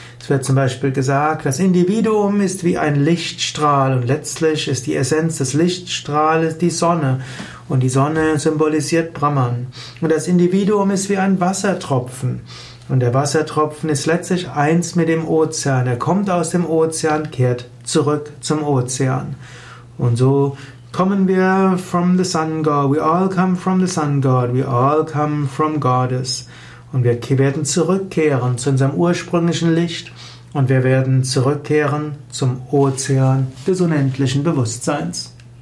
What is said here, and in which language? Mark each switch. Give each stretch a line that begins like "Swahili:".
German: wird zum Beispiel gesagt, das Individuum ist wie ein Lichtstrahl und letztlich ist die Essenz des Lichtstrahls die Sonne. Und die Sonne symbolisiert Brahman. Und das Individuum ist wie ein Wassertropfen. Und der Wassertropfen ist letztlich eins mit dem Ozean. Er kommt aus dem Ozean, kehrt zurück zum Ozean. Und so kommen wir
English: from the Sun God. We all come from the Sun God. We all come from Goddess.
German: Und wir werden zurückkehren zu unserem ursprünglichen Licht. Und wir werden zurückkehren zum Ozean des unendlichen Bewusstseins.